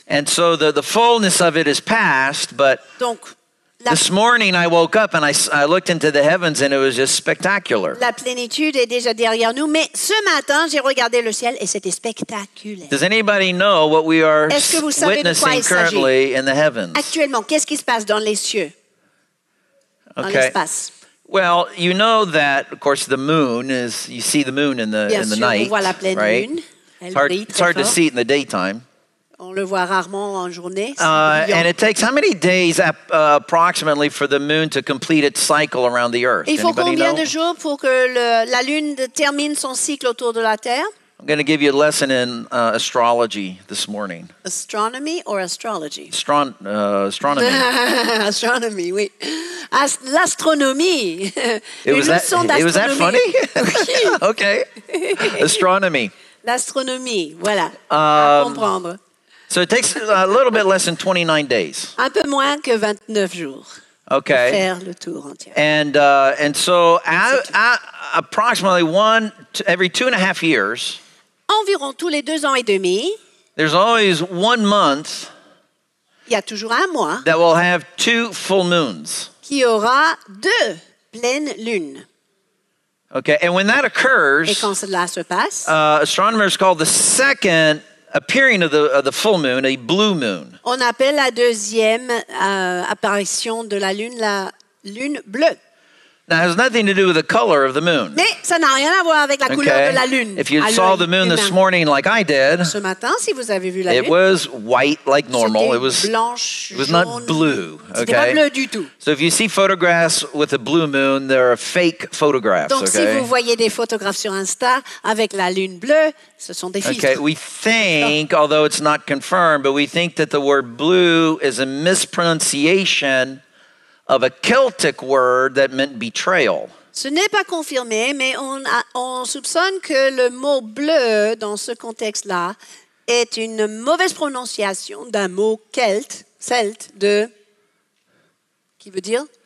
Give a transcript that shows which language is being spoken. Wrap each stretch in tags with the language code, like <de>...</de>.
<en>And so the fullness of it is past, but.</en> <fr>Donc.</fr> <en>This morning I woke up and I looked into the heavens and it was just spectacular.</en> <fr>La plénitude est déjà derrière nous, mais ce matin j'ai regardé le ciel et c'était spectaculaire.</fr> <en>Does anybody know what we are witnessing currently</en> <fr>s'agit?</fr> <en>In the heavens?</en> <fr>Actuellement, qu'est-ce qui se passe dans les cieux?</fr> <en>Okay.</en> <fr>Dans l'espace.</fr> <en>Well, you know that of course the moon is you see the moon in the</en> <fr>Bien</fr> <en>in the</en> <fr>sûr,</fr> <en>night.</en> <fr>On voit la pleine</fr> <en>right?</en> <fr>lune. Elle</fr> <en>hard,</en> <fr>brille très</fr> <en>it's hard</en> <fr>fort.</fr> <en>To see it in the daytime.</en> <fr>On le voit rarement en journée.</fr> <en>And it takes how many days approximately for the moon to complete its cycle around the earth?</en> <fr>Il faut</fr> <en>Anybody</en> <fr>combien</fr> <en>know?</en> <fr>De jours pour que la lune termine son cycle autour de la Terre?</fr> <en>I'm going to give you a lesson in astrology this morning. Astronomy or astrology? Astronomy. Astronomy,</en> <fr>oui. L'astronomie.</fr> <en>It was that funny? Okay. Astronomy.</en> <fr>L'astronomie, voilà. À comprendre.</fr> <en>So it takes a little bit less than 29 days.</en> <fr>Un peu moins que 29 jours.</fr> <en>Okay.</en> <fr>Pour faire le tour entier.</fr> <en>And so approximately every 2.5 years.</en> <fr>Environ tous les 2 ans et demi.</fr> <en>There's always 1 month.</en> <fr>Il y a toujours un mois.</fr> <en>That will have two full moons.</en> <fr>Qui aura deux pleines lunes.</fr> <en>Okay, and when that occurs.</en> <fr>Et quand cela se passe.</fr> <en>Astronomers call the second. Appearing of the full moon, a blue moon.</en> <fr>On appelle la deuxième apparition de la lune bleue.</fr> <en>Now, it has nothing to do with the color of the moon.</en> <fr>Mais ça n'a rien à voir avec la couleur de la lune.</fr> <en>If you saw the moon this morning like I did,</en> <fr>ce matin, si vous avez vu la</fr> <en>it</en> <fr>lune,</fr> <en>was white like normal.</en> <fr>C'était</fr> <en>it was,</en> <fr>blanche,</fr> <en>it was not blue. Okay?</en> <fr>C'était pas bleu du tout.</fr> <en>So if you see photographs with a blue moon, they're fake photographs.</en> <fr>Donc</fr> <en>okay?</en> <fr>si vous voyez des photographes sur Insta avec la lune bleue, ce sont des filtres.</fr> <en>Okay, we think, non. although it's not confirmed, but we think that the word blue is a mispronunciation of a Celtic word that meant betrayal.</en> <fr>Ce n'est pas confirmé, mais on soupçonne que le mot bleu dans ce contexte-là est une mauvaise prononciation d'un mot celte de qui veut dire</fr>